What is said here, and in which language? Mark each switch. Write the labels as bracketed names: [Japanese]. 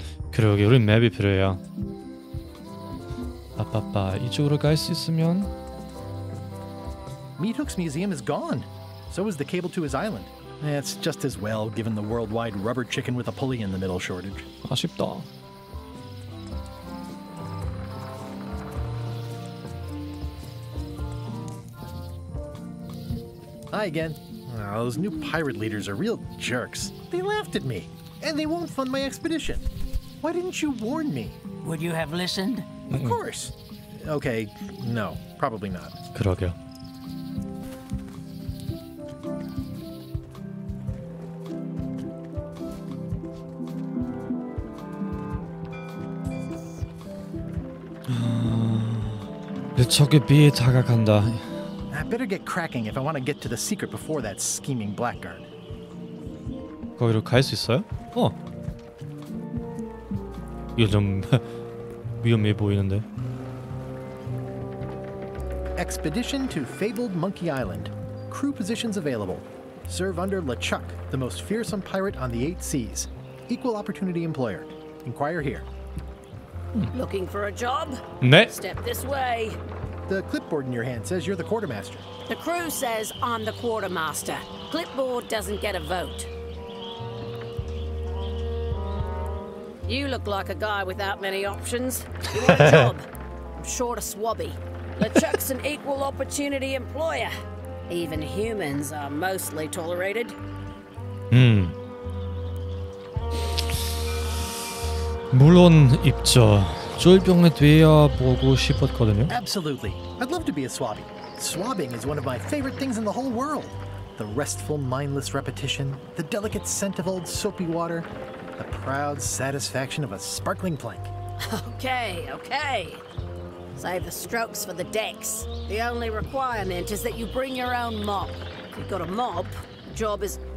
[Korean] 그러게, 우리 맵이 필요해요. 아빠, 이쪽으로 갈 수 있으면. [English] Meat Hook's museum is gone. So is the cable to his island. It's just as well, given the worldwide rubber chicken with a pulley in the middle shortage. [Korean] 아쉽다. [English] Hi again. Oh, those new pirate leaders are real jerks. They laughed at me, and they won't fund my expedition. Why didn't you warn me? Would you have listened? Of course. Okay, no, probably not. [Korean] 그러게요. 저게 비에 다가간다. [English] I better get cracking if I want to get to the secret before that scheming blackguard. [Korean] 거기로 갈 수 있어요? 어. 이거 좀 위험해 보이는데. [English] Expedition to fabled Monkey Island. Crew positions available. Serve under LeChuck, the most fearsome pirate on the eight seas. Equal opportunity employer. Inquire here. Looking for a job? [Korean] 네. [English] Step this way. The clipboard in your hand says you're the quartermaster. The crew says I'm the quartermaster. Clipboard doesn't get a vote. You look like a guy without many options. You want a job? I'm short a swabby. LeChuck's an equal opportunity employer. Even humans are mostly tolerated. [Korean] 물론 있죠. 쫄병에 되어보고 싶었거든요. [English] Absolutely. I'd love to be a swabby. Swabbing is one of my favorite things in the whole world. The restful, mindless repetition, the delicate scent of old soapy water, the proud satisfaction of a sparkling plank. Okay, okay. Save the strokes for the decks. The only requirement is that you bring your own mop. If you've got a mop, the job is...